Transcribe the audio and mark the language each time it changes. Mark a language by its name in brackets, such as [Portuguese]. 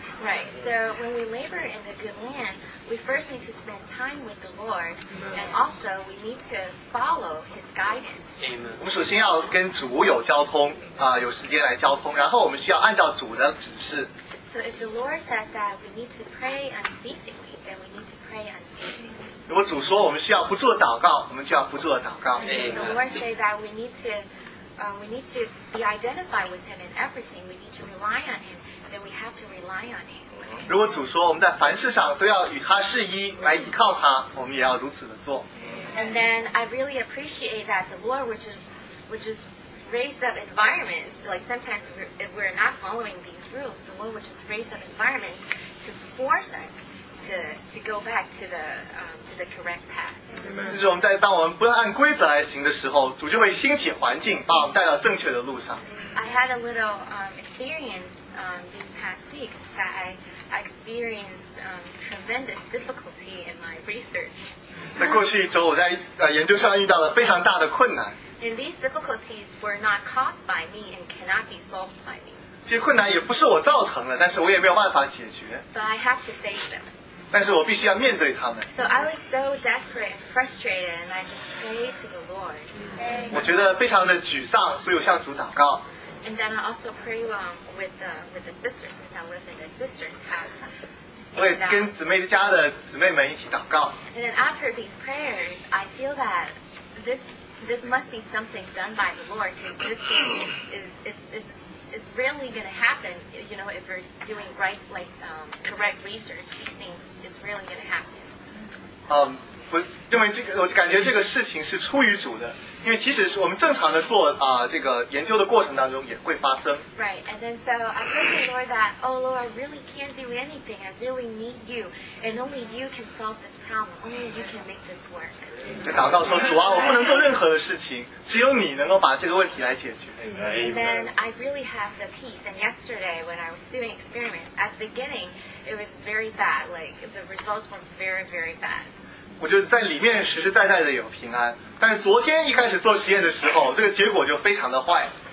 [English] Right. So when we labor in the good land, we first need to spend time with the Lord, and also we need to follow His guidance. Amen. [Chinese] 我们首先要跟主有交通啊，有时间来交通，然后我们需要按照主的指示。 [English] So if the Lord says that we need to pray unceasingly, then we need to pray unceasingly. [Chinese] 如果主说我们需要不住的祷告，我们就要不住的祷告。 [English] Amen. The Lord say that we need to be identified with Him in everything. We need to rely on Him. We have to rely on him. [Chinese] 如果主说我们在凡事上都要与他是一，来依靠他，我们也要如此的做。 [English] And then I really appreciate that the Lord would just raise up environment. Like sometimes if we're not following these rules, the Lord would just raise up environment to force us to go back to the to the correct path. [Chinese] 就是我们在当我们不按规则来行的时候，主就会兴起环境，把我们带到正确的路上。 [English] I had a little experience these past weeks that I experienced tremendous difficulty in my research. [Chinese] 在过去一周，我在研究上遇到了非常大的困难。 [English] And these difficulties were not caused by me and cannot be solved by me. [Chinese] 这些困难也不是我造成的，但是我也没有办法解决。 [English] But I have to face them. [Chinese] 但是我必须要面对他们。 [English] So I was so desperate and frustrated, and I just prayed to the Lord. [Chinese] 我觉得非常的沮丧，所以我向主祷告。 [English] And then I also prayed with the sisters, since I live in the sisters' house. [Chinese] 我也跟姊妹家的姊妹们一起祷告。 [English] And then after these prayers, I feel that this must be something done by the Lord, because this thing is really going to happen, you know, if we're doing right, like, correct research, these things is really going to happen. [Chinese] 我认为这个，我感觉这个事情是出于主的，因为即使是我们正常的做这个研究的过程当中也会发生。 [English] Right, and then so I pray to the Lord that, oh Lord, I really can't do anything. I really need you, and only you can solve this problem. Only you can make this work. [Chinese] 祷告说，主啊，我不能做任何的事情，只有你能够把这个问题来解决。 [English] And then I really have the peace. And yesterday when I was doing experiments at the beginning, it was very bad. Like the results were very, very bad. [Chinese] 我就在里面实实在在的有平安，但是昨天一开始做实验的时候，这个结果就非常的坏。